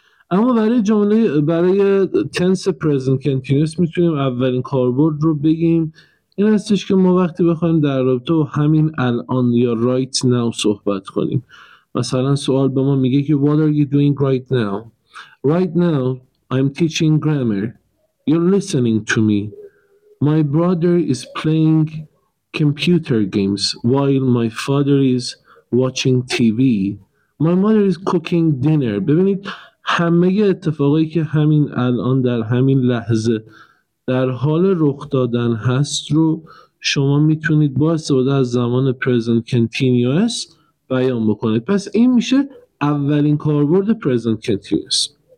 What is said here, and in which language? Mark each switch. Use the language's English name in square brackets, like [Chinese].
[Persian] اما برای تنس پرزنت کنتینیوس میتونیم اولین کاربرد رو بگیم. این هستش که ما وقتی بخوایم در رابطه با همین الان یا [English] right now [Persian] صحبت کنیم، مثلا سوال به ما میگه که [English] What are you doing right now? Right now I'm teaching grammar. You're listening to me. My brother is playing computer games while my father is watching TV. My mother is cooking dinner. [Persian] ببینید همه اتفاقایی که همین الان در همین لحظه در حال رخ دادن هست رو شما میتونید با استفاده از زمان present continuous بیان بکنید. پس این میشه اولین کاربرد present continuous.